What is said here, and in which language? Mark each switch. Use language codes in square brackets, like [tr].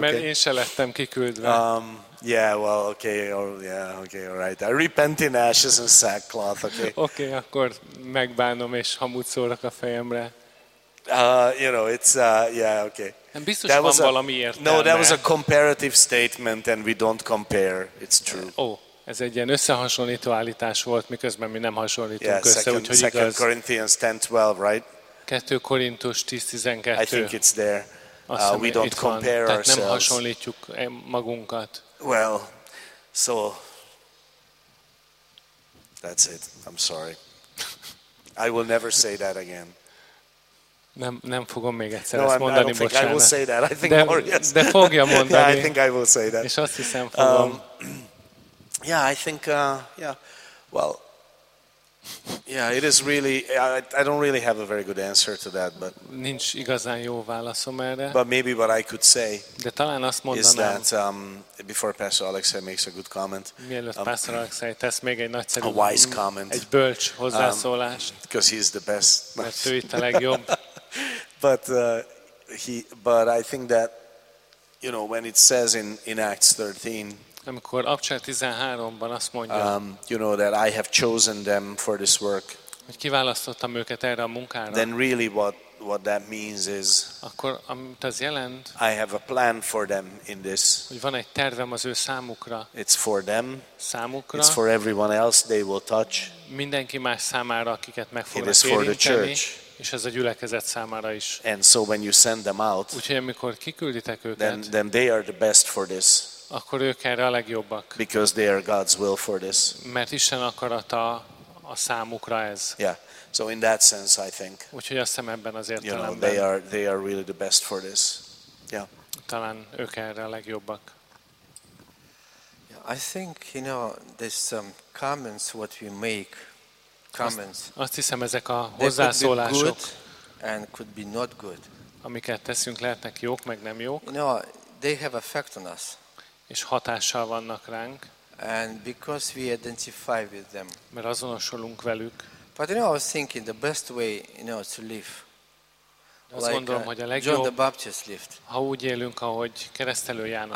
[hu] Mert én se lettem kiküldve. [en] Okay, all right. I repent in ashes and sackcloth, okay? [hu] Okay, akkor megbánom és hamut szórok a fejemre. [en] You know, it's, yeah, okay. [hu] Nem biztos [en] that [hu] van valami értelme. [en] No, that was a comparative statement and we don't compare. It's true. [hu] Oh, ez egy ilyen összehasonlító állítás volt, miközben mi nem hasonlítunk [en] yeah, [hu] össze, [en] second, [hu] úgyhogy [en] second [hu] igaz. [en] Corinthians 10:12, right? [hu] 2 Korintus 10:12. [en] I think it's there. We don't compare ourselves. [hu] Tehát nem hasonlítjuk magunkat. [en] Well, so that's it. I'm sorry. I will never say that again. [hu] Nem fogom még egyszer [en] no, [hu] ezt mondani, bocsánat. [en] I will say that. I think [hu] de fogja mondani. [en] Yeah, I think I will say that. [hu] És azt hiszem fogom. [en] Yeah, I think yeah. Well, yeah, it is really I don't really have a very good answer to that, but [hu] nincs igazán jó válaszom erre. [en] But maybe what I could say. [hu] De talán azt mondanám. [en] Is that before Pastor Alexei makes a good comment. [hu] Mielőtt Pastor Alexei tesz még egy nagyszerű [en] a wise comment. [hu] Egy bölcs hozzászólást. [en] Because he is the best. [hu] Mert ő itt a legjobb. [en] But I think that you know when it says in Acts 13 [hu] amikor Apcsák 13-ban azt mondja, [en] you know that I have chosen them for this work. [hu] Hogy kiválasztottam őket erre a munkára. [en] Then really what that means is [hu] akkor amit az jelent, [en] I have a plan for them in this. [hu] Hogy van egy tervem az ő számukra. [en] It's for them. [hu] Számukra. [en] It's for everyone else they will touch. [hu] Mindenki más számára, akiket meg fognak érinteni. [en] It is for the church. [hu] És ez a gyülekezet számára is. [en] And so when you send them out, [hu] úgyhogy amikor kiküldítek őket, [en] then they are the best for this. [hu] Akkor ők erre a legjobbak. [en] Because they are God's will for this. [hu] Mert Isten akarata a számukra ez. [en] Yeah. So in that sense I think. [hu] Úgyhogy azt hiszem ebben az értelemben. [en] You know, they are really the best for this. Yeah. [hu] Talán ők erre a legjobbak. [en] Yeah, I think you know there's some comments what we make. Comments. [hu] Azt hiszem ezek a hozzászólások. [en] Could be good and could be not good. [hu] Amiket teszünk lehetnek jók meg nem jók. [en] You know, they have effect on us. [hu] És hatással vannak ránk. [en] And because we identify with them. [hu] Mert azonosulunk velük. [en] But you know, I was thinking the best way, you know, to live. [hu] Azt [en] like [hu] gondolom, hogy a legjobb, [en] John the Baptist lived. [hu] Ha úgy élünk, ahogy Keresztelő János